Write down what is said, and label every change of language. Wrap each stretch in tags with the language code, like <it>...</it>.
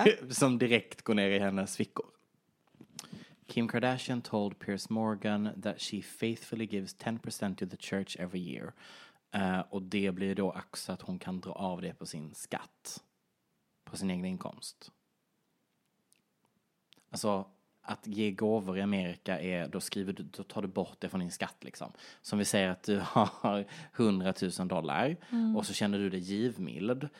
<sv>Som direkt går ner i hennes fickor.</sv> <en>Kim Kardashian told Piers Morgan that she faithfully gives 10% to the church every year.</en> <sv>Och det blir då också att hon kan dra av det på sin skatt. På sin egen inkomst. Alltså, att ge gåvor i Amerika är, då tar du bort det från din skatt liksom. Som vi säger att du har $100,000 och så känner du dig givmild.</sv>